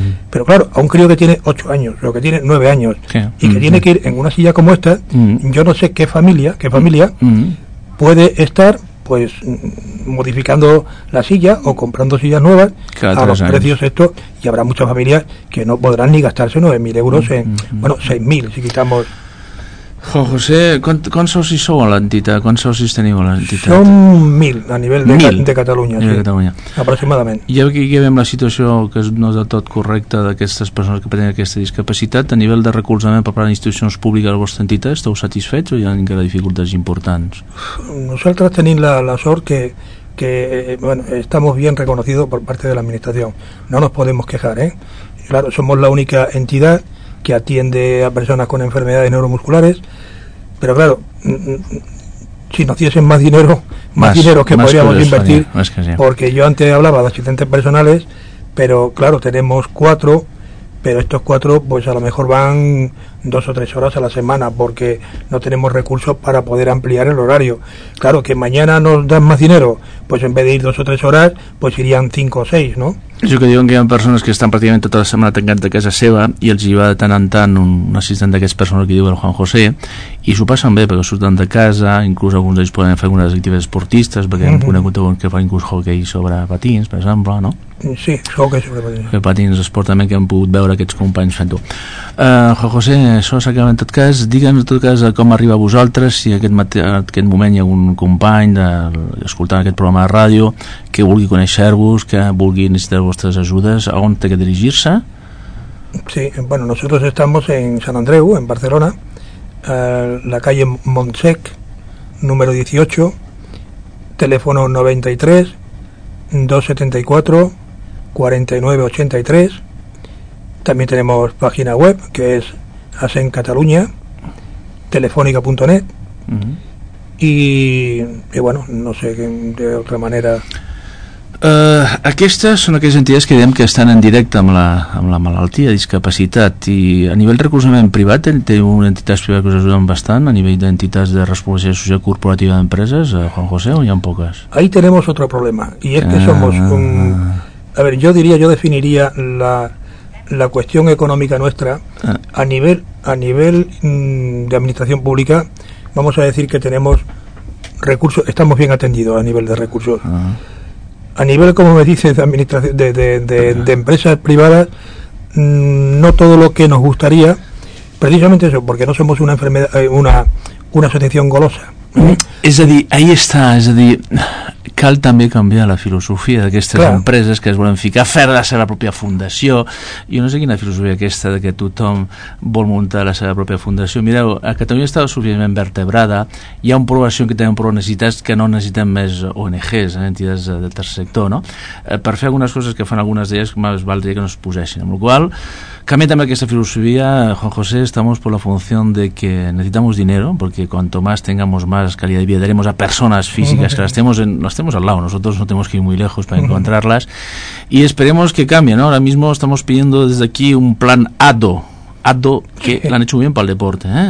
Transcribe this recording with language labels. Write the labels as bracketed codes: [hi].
[es] Pero claro, a un crío que tiene 8 años, o que tiene 9 años, sí, y que tiene que ir en una silla como esta, yo no sé qué familia puede estar pues modificando la silla o comprando sillas nuevas a los precios estos, y habrá muchas familias que no podrán ni gastarse 9.000 euros bueno, 6.000 si quitamos. José, ¿cuántos socios sou a la entidad? ¿Cuántos socios teniu a la entidad? Son 1.000 a nivel de Cataluña. Sí, de Cataluña. Aproximadament. [ca] I aquí veiem la situació que no és del tot correcta d'aquestes persones que tenen aquesta discapacitat. A nivell de recolzament per part d'institucions públiques a la vostra entitat, esteu satisfets o hi ha encara dificultats importants? Nosaltres tenim la sort que [es] bueno, estamos bien reconocidos por parte de la administración. No nos podemos quejar, ¿eh? Claro, somos la única entidad que atiende a personas con enfermedades neuromusculares, pero claro, si nos diesen más dinero, más dinero que podríamos invertir, porque yo antes hablaba de asistentes personales, pero claro, tenemos cuatro, pero estos cuatro pues a lo mejor van 2 o 3 horas a la semana, porque no tenemos recursos para poder ampliar el horario. Claro, que mañana nos dan más dinero, pues en vez de ir 2 o 3 horas, pues irían 5 o 6, ¿no? [ca] Eso que diuen que hi ha persones que estan pràcticament tota la setmana tancats a casa seva i els hi va de tant en tant un assistent d'aquests persones que diu el Juan José, i s'ho passen bé perquè surten de casa, inclús alguns d'ells poden fer algunes activitats esportistes, perquè hem conegut alguns que fan inclús hockey sobre patins, per exemple, no? Sí, hockey sobre patins. Que patins esport també, que hem pogut veure aquests companys fent-ho. Juan José, això s'acaba en tot cas. Digue'ns en tot cas com arriba a vosaltres, si en aquest moment hi ha algun company escoltant aquest programa de ràdio que vulgui conèixer-vos, que vulgui necessitar vostres ajudes, a on té que dirigir-se? [es] Sí, bueno, nosotros estamos en Sant Andreu, en Barcelona, la calle Montsec, número 18, teléfono 93-274-4983. También tenemos página web, que es asencatalunya.telefónica.net. Y bueno, no sé de otra manera... [ca] Aquestes són aquelles entitats que diem que estan en directe amb la malaltia, discapacitat, i a nivell de recolzament privat té una entitat privada que us ajuda bastant a nivell d'entitats de responsabilitat social corporativa d'empreses, Juan José, o hi ha poques? [es] Ahí tenemos otro problema, y es que somos yo definiría la cuestión económica nuestra a nivel de administración pública. Vamos a decir que tenemos recursos, estamos bien atendidos a nivel de recursos. A nivel, como me dices, de administración, de empresas privadas, no todo lo que nos gustaría, precisamente eso, porque no somos una enfermedad, una asociación golosa. Es decir, ahí está, es decir, [ca] cal també canviar la filosofia d'aquestes empreses que es volen ficar a fer la seva pròpia fundació. Jo no sé quina filosofia aquesta de que tothom vol muntar la seva pròpia fundació. Mireu, a Catalunya està suficientment vertebrada, hi ha un població que tenen prou necessitats que no necessitem més ONGs, entitats del tercer sector, no? Per fer algunes coses que fan algunes d'elles, més valdria que no es posessin. Amb la qual cosa, canviem també aquesta filosofia. [es] Juan José, estamos por la función de que necesitamos dinero, porque cuanto más tengamos más calidad de vida, daremos a personas físicas que las tenemos en... Nos estemos al lado, nosotros no tenemos que ir muy lejos para encontrarlas, y esperemos que cambie, ¿no? Ahora mismo estamos pidiendo desde aquí un plan ADO, que lo han hecho muy bien para el deporte, ¿eh?